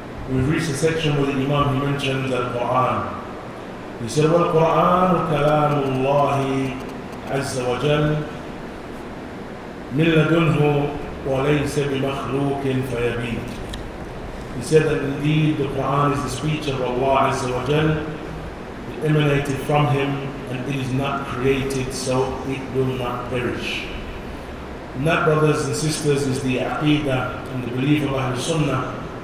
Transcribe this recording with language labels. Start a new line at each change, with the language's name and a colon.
English: We've reached a section where the Imam he mentions the Quran. He said,
Arabic: والقرآن كلام الله عز وجل من لدنه وليس بمخلوق فيبيت.
English: He said that indeed the Quran is the speech of Allah Azza wa Jal. It emanated from him and it is not created, so it will not perish. And that, brothers and sisters, is the aqidah and the belief of Ahlul Sunnah.